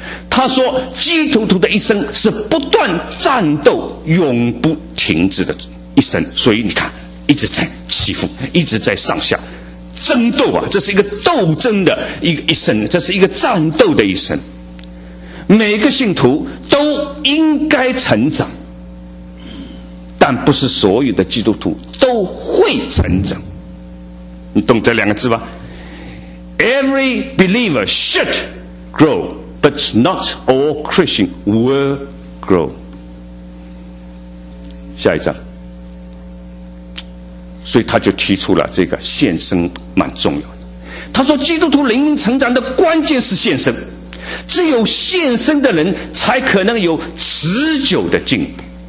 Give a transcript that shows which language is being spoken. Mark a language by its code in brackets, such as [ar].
[zh] 他说基督徒的一生是不断战斗永不停止的一生，所以你看一直在起伏，一直在上下争斗啊，这是一个斗争的一生，这是一个战斗的一生，每个信徒都应该成长，但不是所有的基督徒都会成长，你懂这两个字吧？ [en] Every believer should growBut not all Christians will grow. [zh] 下一章，所以他就提出了这个献身蛮重要的。他说，基督徒灵命成长的关键是献身，只有献身的人才可能有持久的进步。